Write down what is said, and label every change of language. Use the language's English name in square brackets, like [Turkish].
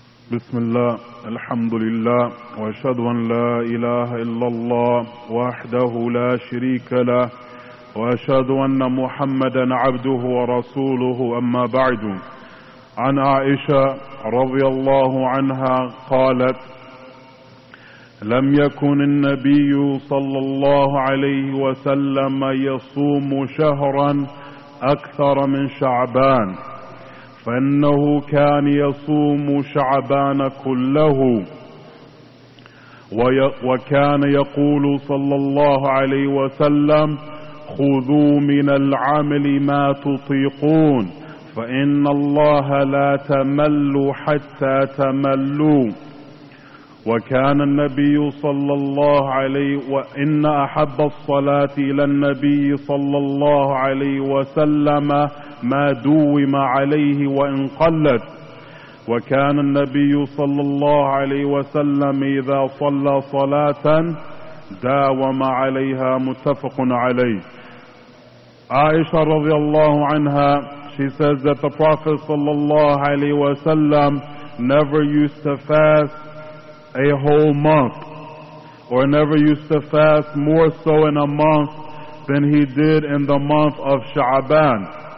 [Arabic] Bismillah, alhamdulillah, wa ashadu an la ilaha illallah, wahdahu la sharika la, وأشهد أن محمدا عبده ورسوله. أما بعد، عن عائشة رضي الله عنها قالت: لم يكن النبي صلى الله عليه وسلم يصوم شهرا أكثر من شعبان، فإنه كان يصوم شعبان كله، وكان يقول صلى الله عليه وسلم: خذوا من العمل ما تطيقون، فإن الله لا تمل حتى تملوا. وكان النبي صلى الله عليه وإن أحب الصلاة إلى النبي صلى الله عليه وسلم ما دوم عليه وإن قلت. وكان النبي صلى الله عليه وسلم إذا صلى صلاة داوم عليها. متفق عليه. [English] Aisha radiallahu anha, she says that the Prophet sallallahu alayhi wa sallam never used to fast a whole month, or never used to fast more so in a month than he did in the month of Sha'ban.